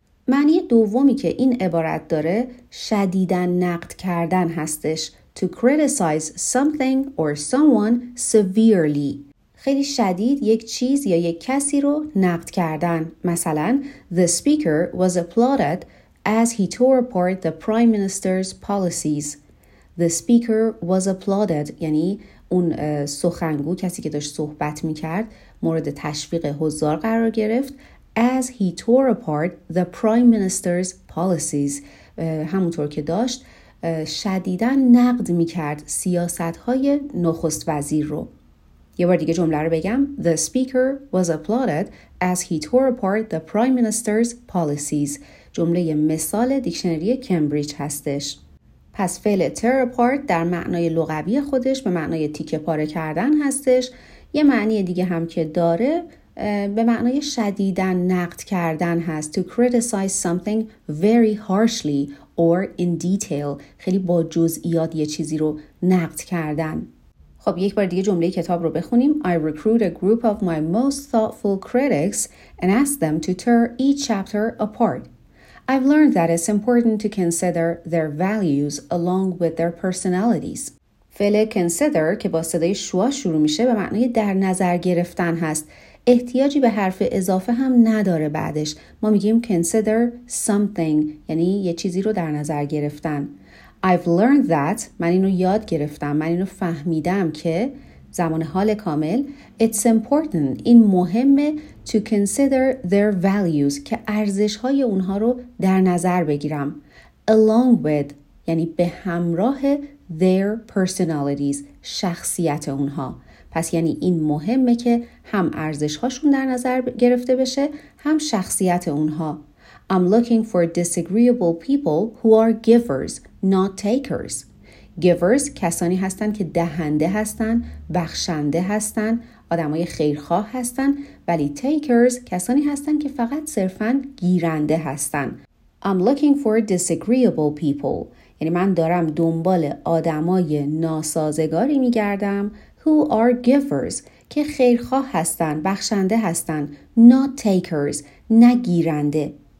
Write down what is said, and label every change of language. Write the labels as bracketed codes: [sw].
[fa] معنی دومی که این عبارت داره شدیداً نقد کردن هستش، [en] to criticize something or someone severely، [fa] خیلی شدید یک چیز یا یک کسی رو نقد کردن. مثلا [en] the speaker was applauded As he tore apart the Prime Minister's policies, the speaker was applauded. [fa] یعنی اون سخنگو کسی که داشت صحبت میکرد مورد تشویق حضار قرار گرفت. [en] As he tore apart the Prime Minister's policies, [fa] همونطور که داشت شدیداً نقد میکرد سیاست‌های نخست وزیر رو. یه بار دیگه جمله رو بگم. [en] The speaker was applauded as he tore apart the Prime Minister's policies. [fa] جمله مثال دیکشنری کمبریج هستش. پس فعل tear apart در معنای لغوی خودش به معنای تیکه پاره کردن هستش. یه معنی دیگه هم که داره به معنای شدیداً نقد کردن هست. [en] To criticize something very harshly or in detail. [fa] خیلی با جزئیات یه چیزی رو نقد کردن. خب یک بار دیگه جمله کتاب رو بخونیم. [en] I recruit a group of my most thoughtful critics and ask them to tear each chapter apart. I've learned that it's important to consider their values along with their personalities. [fa] فعل consider که با صدای شوا شروع میشه به معنی در نظر گرفتن هست. احتیاجی به حرف اضافه هم نداره بعدش. ما میگیم consider something یعنی یه چیزی رو در نظر گرفتن. [en] I've learned that [fa] من اینو یاد گرفتم. من اینو فهمیدم که زمان حال کامل [en] it's important [fa] این مهمه [en] to consider their values [fa] که ارزش‌های اونها رو در نظر بگیرم. [en] Along with [fa] یعنی به همراه [en] their personalities [fa] شخصیت اونها. پس یعنی این مهمه که هم ارزش‌هاشون در نظر گرفته بشه هم شخصیت اونها. [en] I'm looking for disagreeable people who are givers, not takers. [fa] Givers کسانی هستند که دهنده هستند، بخشنده هستند، آدمای خیرخواه هستند، ولی takers کسانی هستند که فقط صرفاً گیرنده هستند. [en] I'm looking for disagreeable people. [fa] یعنی من دارم دنبال آدمای ناسازگاری می‌گردم [en] who are givers [fa] که خیرخواه هستند، بخشنده هستند، [en] not takers [fa] نگیرنده.